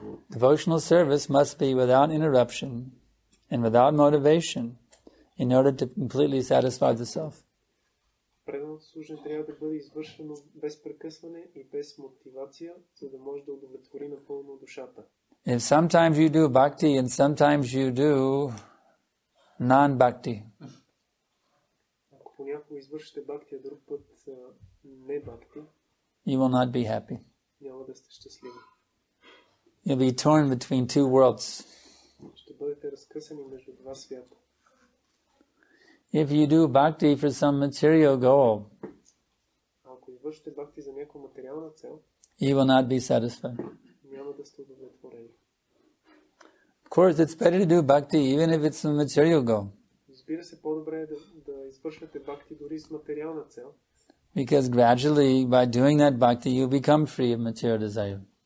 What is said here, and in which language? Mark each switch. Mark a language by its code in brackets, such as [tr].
[en] Devotional service must be without interruption and without motivation in order to completely satisfy the self. [bg] Преданото служение трябва да бъде извършено без прекъсване и без мотивация, за да може да удовлетвори напълно душата. [en] If sometimes you do bhakti and sometimes you do non-bhakti. [bg] Ако понякога извършите бхакти, а друг път не бхакти, [en] you will not be happy. [bg] Няма да сте щастливи. [en] You'll be torn between two worlds. [bg] Ще бъдете разкъсани между два свята. [en] If you do bhakti for some material goal, [bg] ако извършите бхакти за някоя материална цел, [en] you will not be satisfied. [bg] Няма да сте удовлетворени. [en] Of course, it's better to do bhakti even if it's a material goal. Because gradually, by doing that bhakti, you become free of material desire.